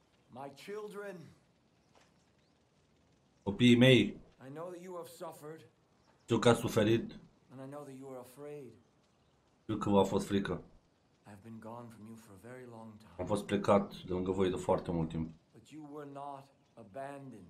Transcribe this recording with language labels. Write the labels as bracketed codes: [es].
[en] My children. [ro] Copiii mei. [en] I know that you have suffered. [ro] Știu că ați suferit. [en] And I know that you are afraid. [ro] Știu că v-a fost frică. [en] I've been gone from you for a very long time. [ro] Am fost plecat de lângă voi de foarte mult timp. [en] But you were not abandoned.